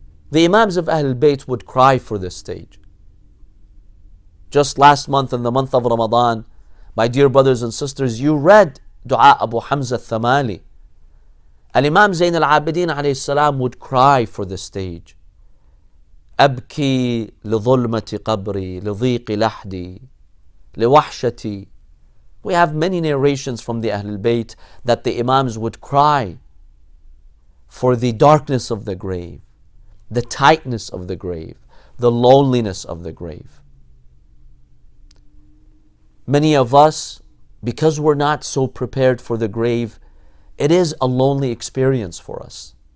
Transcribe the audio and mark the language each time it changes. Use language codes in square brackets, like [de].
[en] The Imams of Ahlul Bayt would cry for this stage. Just last month, in the month of Ramadan, my dear brothers and sisters, you read Dua Abu Hamza al-Thamali. Al-Imam Zain al-Abidin alayhi salam would cry for this stage. [ar] أبكي لظلمة قبري لضيق لحدي لوحشتي. [en] We have many narrations from the Ahlul Bayt that the Imams would cry for the darkness of the grave, the tightness of the grave, the loneliness of the grave. Many of us, because we're not so prepared for the grave, it is a lonely experience for us.